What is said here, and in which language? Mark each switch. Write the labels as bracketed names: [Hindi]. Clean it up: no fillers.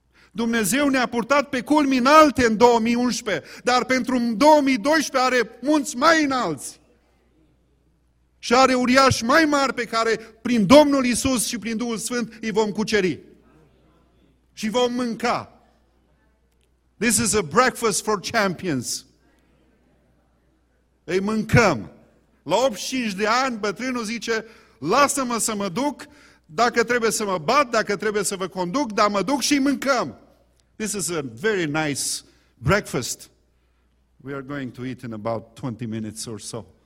[Romanian] Dumnezeu ne-a purtat pe culmi înalte în 2011, dar pentru 2012 are munți mai înalți. Și are uriași mai mari pe care prin Domnul Iisus și prin Duhul Sfânt îi vom cuceri. Și vom mânca. [English] This is a breakfast for champions. [Romanian] Îi mâncăm. La 85 de ani, bătrânul zice, lasă-mă să mă duc, dacă trebuie să mă bat, dacă trebuie să vă conduc, dar mă duc și îi mâncăm. [English] This is a very nice breakfast. We are going to eat in about 20 minutes or so.